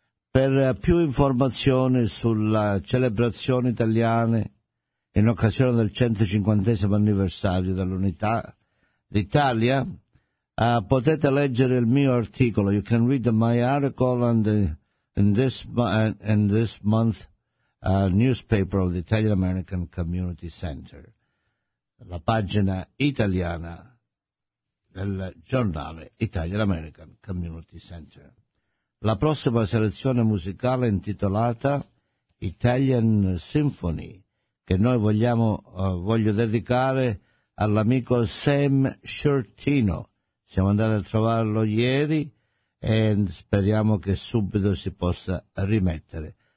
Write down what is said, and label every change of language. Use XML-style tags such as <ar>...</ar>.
<it>Per più informazioni sulla celebrazione italiana in occasione del 150° anniversario dell'Unità d'Italia, potete leggere il mio articolo.</it> <en>You can read my article in this month's newspaper of the Italian American Community Center,</en> <it>la pagina italiana del giornale</it> <en>Italian American Community Center.</en> <it>La prossima selezione musicale intitolata Italian Symphony, che noi voglio dedicare all'amico Sam Shortino. Siamo andati a trovarlo ieri e speriamo che subito si possa rimettere.</it>